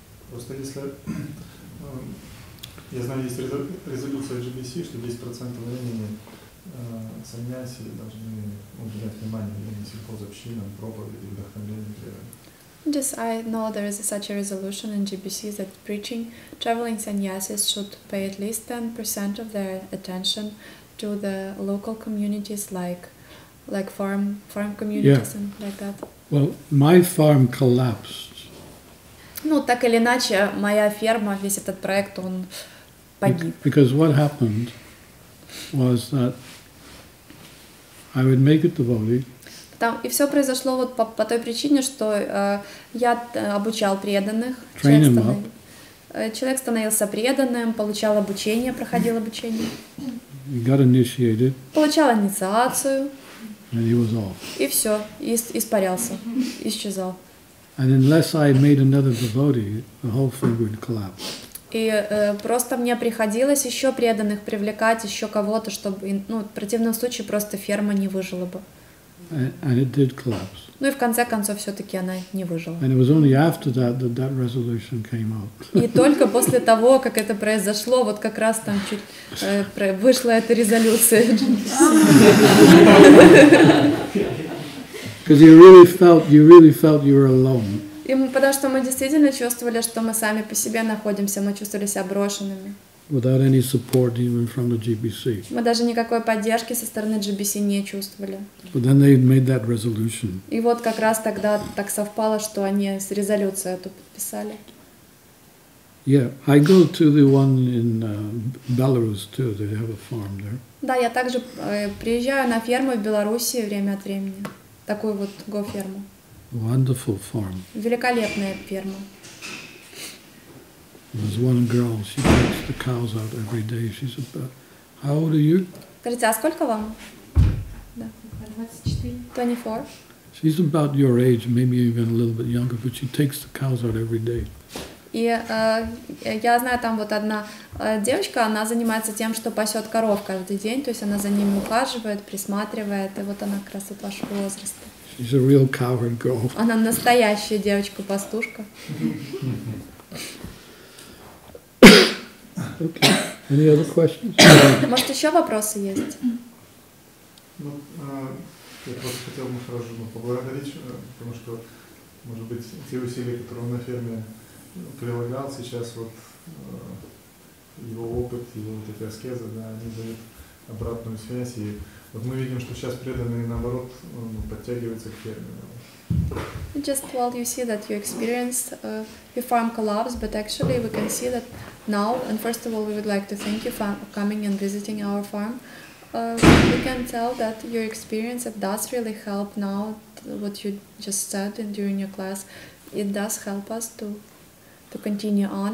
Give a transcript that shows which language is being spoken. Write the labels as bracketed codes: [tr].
[ru] Просто если, я знаю, есть резолюция GBC, что 10% времени саньяси должны уделять внимание именно сельхозобщинам, проповеди, вдохновению, преданию. [en] Just I know there is such a resolution in GBC that preaching traveling sannyasis should pay at least 10% of their attention to the local communities like farm communities, yeah. And like that. Well, my farm collapsed. [ru] Ну, так или иначе, моя ферма, весь этот проект, он погиб. [en] Because what happened was that I would make a devotee. [ru] Там, и все произошло вот по той причине, что я обучал преданных. [en] Train him up. [ru] Человек становился преданным, получал обучение, проходил обучение. [en] He got initiated. [ru] Получал инициацию. [en] And he was off. [ru] И все, испарялся, исчезал. [en] And unless I made another devotee, the whole thing would collapse. [ru] И просто мне приходилось еще преданных привлекать, еще кого-то, чтобы, ну, в противном случае просто ферма не выжила бы. [en] And it did collapse. [ru] Ну и в конце концов все-таки она не выжила. [en] And it was only after that resolution came out. [ru] И только после того, как это произошло, вот как раз там чуть вышла эта резолюция. [en] Because you really felt you were alone. [ru] И потому что мы действительно чувствовали, что мы сами по себе находимся, мы чувствовали себя брошенными. [en] Without any support even from the GBC. [ru] Мы даже никакой поддержки со стороны GBC не чувствовали. [en] But then they made that resolution. [ru] И вот как раз тогда так совпало, что они с резолюцией эту подписали. [en] Yeah, I go to the one in Belarus too. They have a farm there. [ru] Да, я также приезжаю на ферму в Беларуси время от времени. Такую вот го-ферму. [en] Wonderful farm. [ru] Великолепная ферма. [en] There's one girl, she takes the cows out every day. She's about... How old are you? [ru] Скажите, а сколько вам? 24. [en] She's about your age, maybe even a little bit younger, but she takes the cows out every day. [ru] И я знаю, там вот одна девочка, она занимается тем, что пасет коров каждый день, то есть она за ними ухаживает, присматривает, и вот она как раз от вашего возраста. [en] She's a real cowherd girl. [ru] Она настоящая девочка-пастушка. [en] Okay. Any other questions? [ru] Может, еще вопросы есть? Ну, я просто хотел бы сразу же поблагодарить, потому что, может быть, те усилия, которые он на ферме прилагал, сейчас вот его опыт, его вот эти аскезы, да, они дают обратную связь. И вот мы видим, что сейчас преданный, наоборот, он подтягивается к ферме. [en] Just while you see that you experienced your farm collapse, but actually we can see that now, and first of all, we would like to thank you for coming and visiting our farm. We can tell that your experience, it does really help now, what you just said in, during your class, it does help us to continue on.